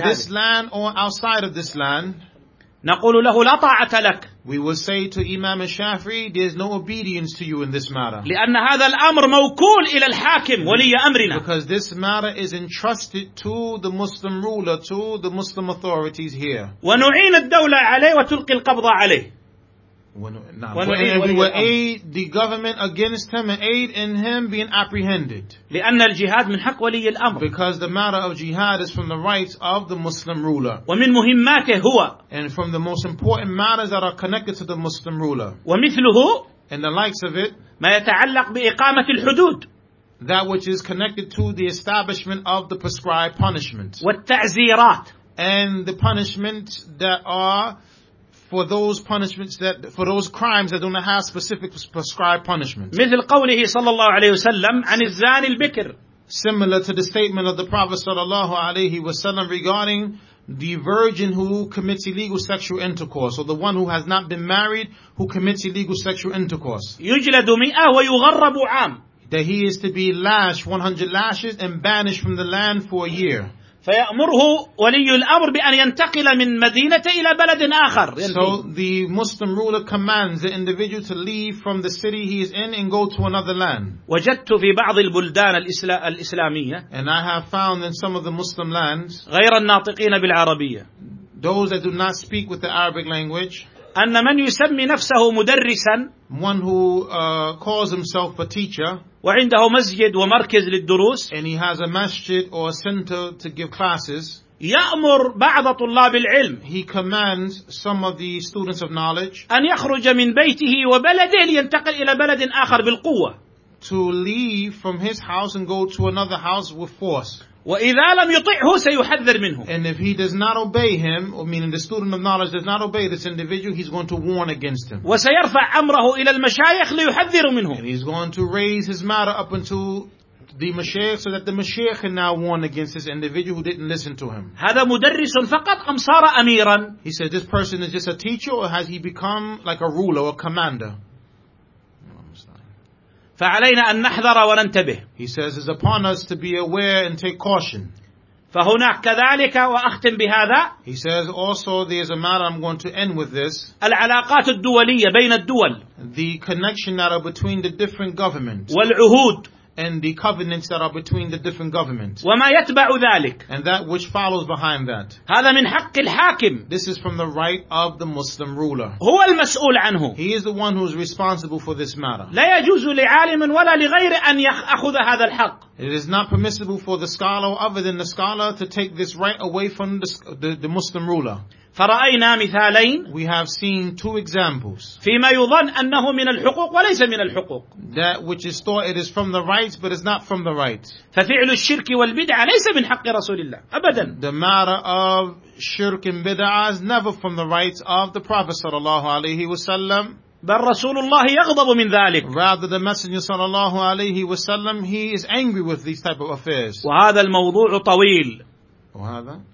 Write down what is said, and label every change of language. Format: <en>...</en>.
<en>In this land or outside of this land.</en> <ar>نقول له لا طاعة لك.</ar> <en>We will say to Imam al-Shafi'i, there is no obedience to you in this matter.</en> <ar>لأن هذا الأمر موكول إلى الحاكم ولي أمرنا.</ar> <en>Because this matter is entrusted to the Muslim ruler, to the Muslim authorities here.</en> <ar>ونعين الدولة عليه وتلقي القبض عليه.</ar> <en>We will aid the government against him and aid in him being apprehended.</en> <ar>لأن الجهاد من حق ولي الأمر.</ar> <en>Because the matter of jihad is from the rights of the Muslim ruler.</en> <ar>ومن مهماته هو.</ar> <en>And from the most important matters that are connected to the Muslim ruler.</en> <ar>ومثله.</ar> <en>And the likes of it.</en> <ar>ما يتعلق بإقامة الحدود.</ar> <en>That which is connected to the establishment of the prescribed punishment.</en> <ar>والتعزيرات.</ar> <en>And the punishments that are for those punishments that for those crimes that do not have specific prescribed punishments.</en> <ar>مثل قوله صلى الله عليه وسلم عن الزاني البكر.</ar> <en>Similar to the statement of the Prophet</en> <ar>صلى الله عليه وسلم</ar> <en>regarding the virgin who commits illegal sexual intercourse, or the one who has not been married who commits illegal sexual intercourse.</en> <ar>يجلد مئة ويغرب عام.</ar> <en>That he is to be lashed 100 lashes and banished from the land for a year.</en> <ar>فيأمره ولي الأمر بأن ينتقل من مدينة إلى بلد آخر.</ar> <en>So the Muslim ruler commands the individual to leave from the city he is in and go to another land.</en> <ar>وجدت في بعض البلدان الإسلامية.</ar> <en>And I have found in some of the Muslim lands.</en> <ar>غير الناطقين بالعربية.</ar> <en>Those that do not speak with the Arabic language.</en> <ar>أن من يسمي نفسه مدرسا.</ar> <en>One who calls himself a teacher.</en> <ar>وعنده مسجد ومركز للدروس.</ar> <en>And he has a masjid or a center to give classes.</en> <ar>يأمر بعض طلاب العلم.</ar> <en>He commands some of the students of knowledge.</en> <ar>أن يخرج من بيته وبلده لينتقل إلى بلد آخر بالقوة.</ar> <en>To leave from his house and go to another house with force.</en> <ar>وإذا لم يطعه سيحذر منه.</ar> <en>And if he does not obey him, or meaning the student of knowledge does not obey this individual, he's going to warn against him.</en> <ar>وسيرفع أمره إلى المشايخ ليحذر منه.</ar> <en>And he's going to raise his matter up into the mashayikh so that the mashayikh can now warn against this individual who didn't listen to him.</en> <ar>هذا مدرس فقط أم صار أميرا؟</ar> <en>He said, this person is just a teacher or has he become like a ruler or a commander?</en> <ar>فعلينا أن نحذر وننتبه.</ar> <en>He says it's upon us to be aware and take caution.</en> <ar>فهناك كذلك وأختم بهذا.</ar> <en>He says also there's a matter I'm going to end with this.</en> <ar>العلاقات الدولية بين الدول.</ar> <en>The connection that are between the different governments.</en> <ar>والعهود.</ar> <en>And the covenants that are between the different governments.</en> <ar>وما يتبع ذلك.</ar> <en>And that which follows behind that.</en> <ar>هذا من حق الحاكم.</ar> <en>This is from the right of the Muslim ruler.</en> <ar>هو المسؤول عنه.</ar> <en>He is the one who is responsible for this matter.</en> <ar>لا يجوز لعالم ولا لغير أن يأخذ هذا الحق.</ar> <en>It is not permissible for the scholar other than the scholar to take this right away from the Muslim ruler.</en> <ar>فرأينا مثالين.</ar> <en>We have seen two examples.</en> <ar>فيما يظن أنه من الحقوق وليس من الحقوق.</ar> <en>That which is thought it is from the rights, but it's not from the rights.</en> <ar>ففعل الشرك والبدعة ليس من حق رسول الله أبدا.</ar> <en>The matter of shirk and bid'ah is never from the rights of the Prophet</en> <ar>صلى الله عليه وسلم. بل رسول الله يغضب من ذلك.</ar> <en>Rather, the Messenger</en> <ar>صلى الله عليه وسلم,</ar> <en>he is angry with these type of affairs.</en> <ar>وهذا الموضوع طويل. وهذا.</ar>